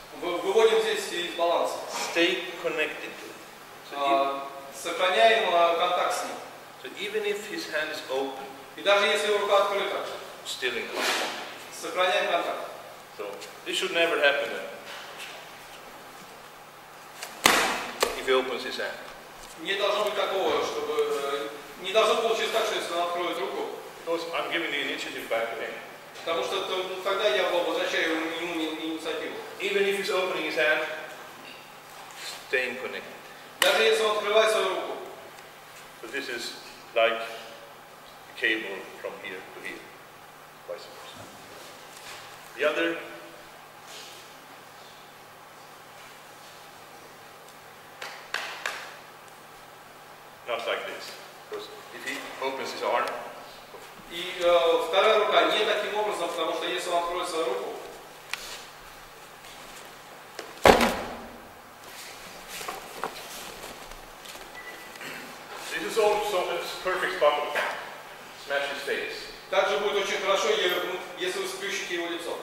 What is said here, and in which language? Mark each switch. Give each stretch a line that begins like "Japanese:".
Russian: Выводим здесь из баланса.
English: Stay connected to him.
Russian: Сохраняем контакт с ним.
English: So even if his hand is open.
Russian: И даже если его рука открыта.
English: Still in contact.
Russian: Сохраняем контакт.
English: So this should never happen then. If he opens his hand.
Russian: Не должно быть такого, чтобы не должно получиться так, что если он откроет руку.
English: Because I'm giving the initiative back to him.
Russian: Потому что тогда я возвращаю ему инициативу.
English: Even if he's opening his hand, staying connected.
Russian: Даже если он открывает свою руку.
English: So this is like a cable from here to here, vice versa. The other. Not like this. Because if he opens his arm.
Russian: И вторая рука не таким образом, потому что если он откроет свою руку.
English: This is also a perfect spot to smash his face.
Russian: Также будет очень хорошо, если вы сплющите его лицо.